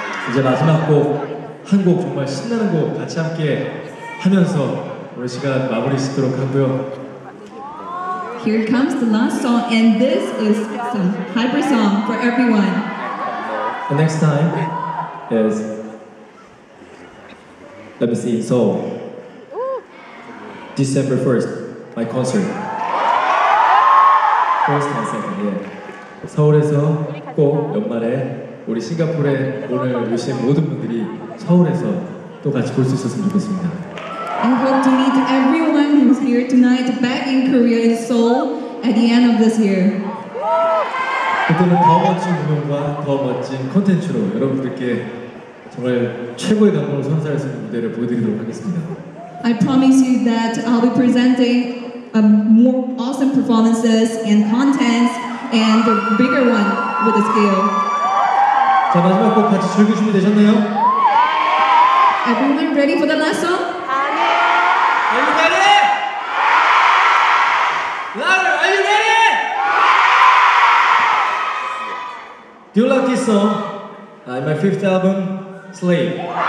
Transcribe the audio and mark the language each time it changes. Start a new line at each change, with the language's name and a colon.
Korean: 이제 마지막 곡, 한 곡 정말 신나는 곡 같이 함께 하면서 우리 시간 마무리 짓도록 하고요.
English: Here comes the last song and this is some hyper song for everyone. The next time is Let me see, so December 1st, my concert. First and second, yeah.
Korean: 서울에서 꼭 연말에 우리 싱가포르에 오늘 오신 모든 분들이 서울에서 또 같이 볼 수 있었으면 좋겠습니다.
English: I hope to meet everyone who's here tonight back in Korea in Seoul at the end of this year.
Korean: 그때는 더 멋진 공연과 더 멋진 콘텐츠로 여러분들께 정말 최고의 감동을 선사할 수 있는 무대를 보여드리도록 하겠습니다.
English: I promise you that I'll be presenting a more awesome performances and contents and a bigger one with a scale.
Korean: 자, 마지막 곡 같이 즐길 준비 되셨나요?
English: Everyone ready for the last song?
Korean: 아니요.
English: Are you ready? Louder, are you ready? Do you like this song? My fifth album, Slave.